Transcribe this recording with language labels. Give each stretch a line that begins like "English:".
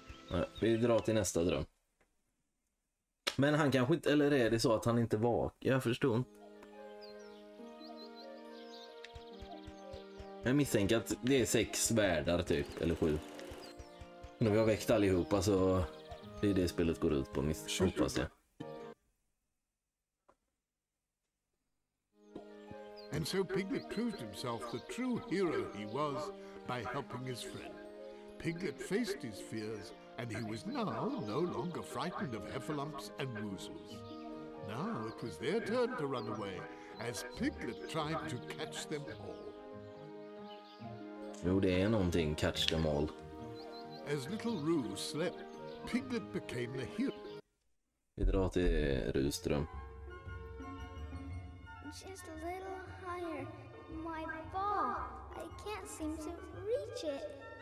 Swedish: Nej, vi drar till nästa dröm. Men han kanske inte, eller är det så att han inte vaknar? Jag förstår inte. Jag misstänker att det är 6 världar typ, eller 7. När vi har väckt allihopa så det är det spelet går ut på, hoppas jag.
English: And so Piglet proved himself the true hero he was by helping his friend. Piglet faced his fears, and he was now no longer frightened of heffalumps and woozles. Now it was their turn to run away, as Piglet tried to catch them all.
Swedish: Jo, det är någonting,
English: catch them all. As little Roo slept, Piglet became the hero.
Swedish: Vi drar till Ruström.
English: Just a little higher, my ball. I can't seem to reach it.